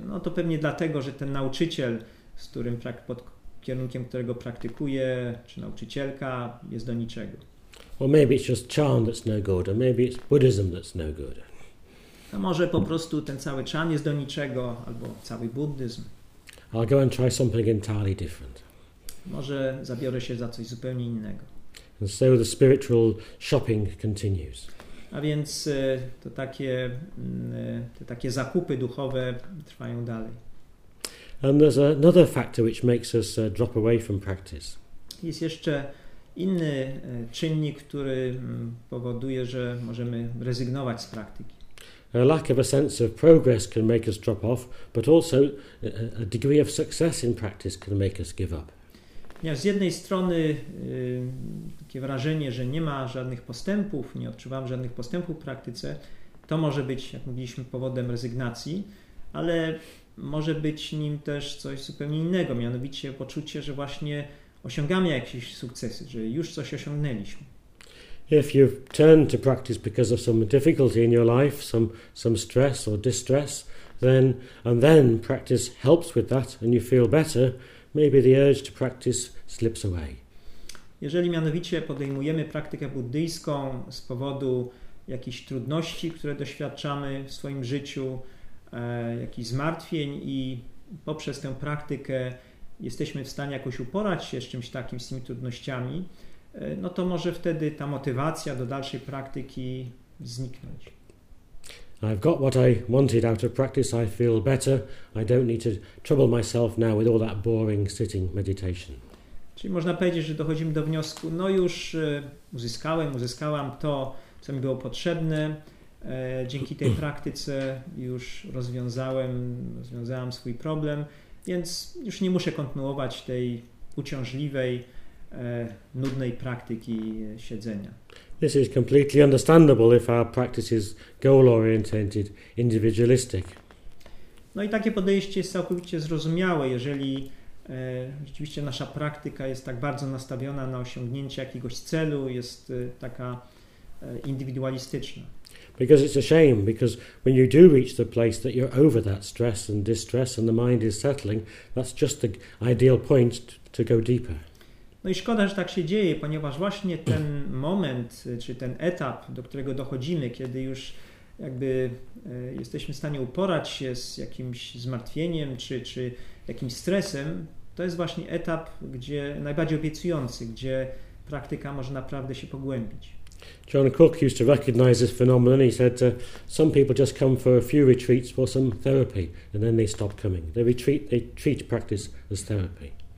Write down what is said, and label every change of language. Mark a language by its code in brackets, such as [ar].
[pl] No to pewnie dlatego, że ten nauczyciel, z którym pod kierunkiem którego praktykuję, czy nauczycielka, jest do niczego. [en] Or maybe it's just chan that's no good, or maybe it's Buddhism that's no good. [pl] A może po prostu ten cały chan jest do niczego, albo cały buddyzm. [en] I'll go and try something entirely different. [pl] Może zabiorę się za coś zupełnie innego. [en] And so the spiritual shopping continues. [pl] A więc to takie, te takie zakupy duchowe trwają dalej. [en] And there's another factor which makes us drop away from practice. [pl] Jest jeszcze inny czynnik, który powoduje, że możemy rezygnować z praktyki. [en] A lack of a sense of progress can make us drop off, but also a degree of success in practice can make us give up. [pl] Z jednej strony takie wrażenie, że nie ma żadnych postępów, nie odczuwam żadnych postępów w praktyce, to może być, jak mówiliśmy, powodem rezygnacji, ale może być nim też coś zupełnie innego, mianowicie poczucie, że właśnie osiągamy jakieś sukcesy, że już coś osiągnęliśmy. [en] If you've turned to practice because of some difficulty in your life, some stress or distress, then practice helps with that and you feel better, maybe the urge to practice slips away. [pl] Jeżeli mianowicie podejmujemy praktykę buddyjską z powodu jakichś trudności, które doświadczamy w swoim życiu, jakichś zmartwień i poprzez tę praktykę jesteśmy w stanie jakoś uporać się z czymś takim, z tymi trudnościami, no to może wtedy ta motywacja do dalszej praktyki zniknąć. [en] I've got what I wanted out of practice, I feel better, I don't need to trouble myself now with all that boring sitting meditation. [pl] Czyli można powiedzieć, że dochodzimy do wniosku, no już uzyskałam to, co mi było potrzebne, dzięki tej praktyce już rozwiązałam swój problem, więc już nie muszę kontynuować tej uciążliwej, nudnej praktyki siedzenia. [en] This is completely understandable if our practice is goal-oriented, individualistic. [pl] No i takie podejście jest całkowicie zrozumiałe, jeżeli rzeczywiście nasza praktyka jest tak bardzo nastawiona na osiągnięcie jakiegoś celu, jest taka indywidualistyczna. [en] Because it's a shame, because when you do reach the place that you're over that stress and distress and the mind is settling, that's just the ideal point to go deeper. [pl] No i szkoda, że tak się dzieje, ponieważ właśnie ten moment, czy ten etap, do którego dochodzimy, kiedy już jakby jesteśmy w stanie uporać się z jakimś zmartwieniem, czy jakimś stresem, to jest właśnie etap, gdzie najbardziej obiecujący, gdzie praktyka może naprawdę się pogłębić. [en] John Cook used to recognize this phenomenon. He said some people just come for a few retreats for some therapy and then they stop coming. They treat practice as therapy.